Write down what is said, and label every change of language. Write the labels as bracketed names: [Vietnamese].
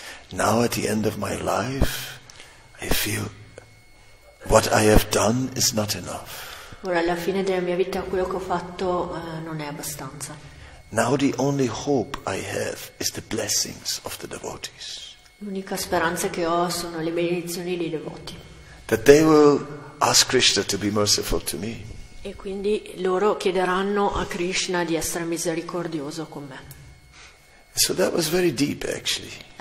[English] Now at the end of my life, I feel what I have done is not enough. [Italian] Ora alla fine della mia vita quello che ho fatto non è abbastanza. [English] Now the only hope I have is the blessings of the devotees. [Italian] L'unica speranza che ho sono le benedizioni dei devoti. [English] That they will ask Krishna to be merciful to me. [Italian] E quindi loro chiederanno a Krishna di essere misericordioso con me. [English] So that was very deep actually.